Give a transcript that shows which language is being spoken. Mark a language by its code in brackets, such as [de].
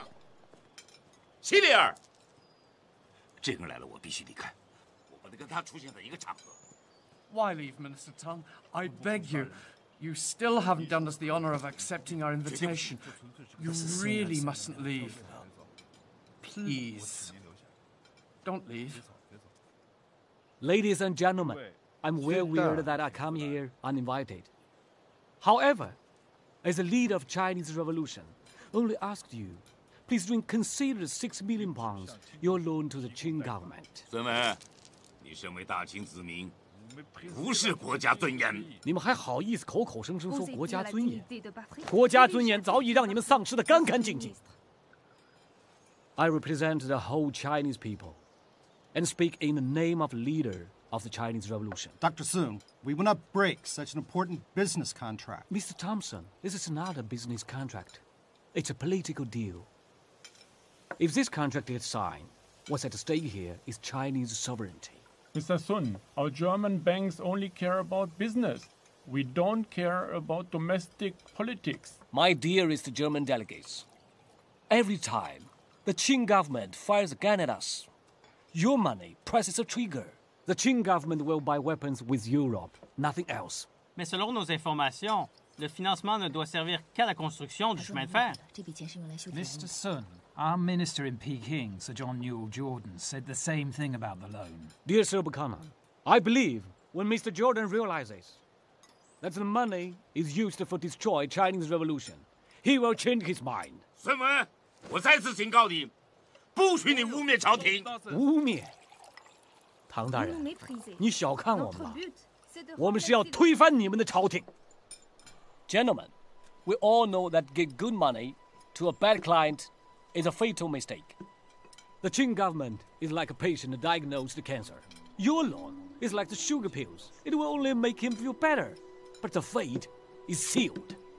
[zh] 希利尔先生，希利尔，这个人来了，我必须离开。我不能跟他出现在一个场合。 [en] Why leave, Minister Tang? I beg you, you still haven't done us the honor of accepting our invitation. You really mustn't leave. Please, don't leave. Ladies and gentlemen, I'm very weird that I come here uninvited. However, as a leader of Chinese Revolution. Only asked you, please reconsider £6 million you loan to the Qing government. [zh] 孙文，你身为大清子民，无视国家尊严。你们还好意思口口声声说国家尊严？国家尊严早已让你们丧失的干干净净。 [en] I represent the whole Chinese people, and speak in the name of leader of the Chinese Revolution. Dr. Sun, we will not break such an important business contract. Mr. Thompson, this is not a business contract. It's a political deal. If this contract is signed, what's at stake here is Chinese sovereignty. Mr. Sun, our German banks only care about business. We don't care about domestic politics. My dearest German delegates, every time the Qing government fires a gun at us, your money presses a trigger. The Qing government will buy weapons with Europe, nothing else. [fr] Mais selon nos informations,Le financement ne doit servir qu'à la construction du chemin de fer. [en] Mr. Sun, our minister in Peking, Sir John Newell Jordan, said the same thing about the loan. Dear Sir Buchanan, I believe when Mr. Jordan realizes that the money is used for destroy Chinese revolution. He will change his mind. [zh] 孙文，我再次警告你，不许你污蔑朝廷。污蔑？唐大人，你小看我们了。我们是要推翻你们的朝廷。 [en] Gentlemen, we all know that give good money to a bad client is a fatal mistake. The Qing government is like a patient diagnosed cancer. Your loan is like the sugar pills. It will only make him feel better. But the fate is sealed.